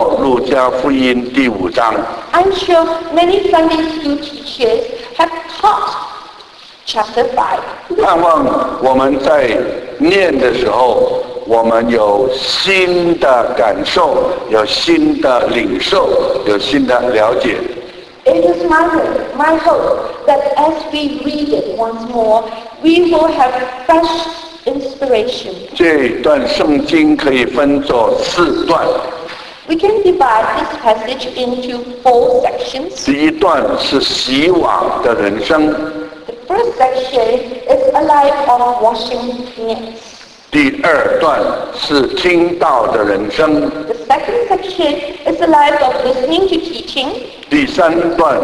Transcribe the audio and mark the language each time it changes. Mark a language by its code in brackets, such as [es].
[zh] 我们当中不少的主日学老师也教过讲过路加福音第五章。 [en] I'm sure many Sunday school teachers have taught chapter 5. [zh] 盼望我们在念的时候，我们有新的感受，有新的领受，有新的了解。 [en] It is my hope that as we read it once more, we will have fresh inspiration. [zh] 这段圣经可以分作四段。 [en] We can divide this passage into four sections. [zh] 第一段是洗碗的人生。 [en] The first section is a life of washing hands. [zh] 第二段是听道的人生。 [en] The second section is a life of listening to teaching.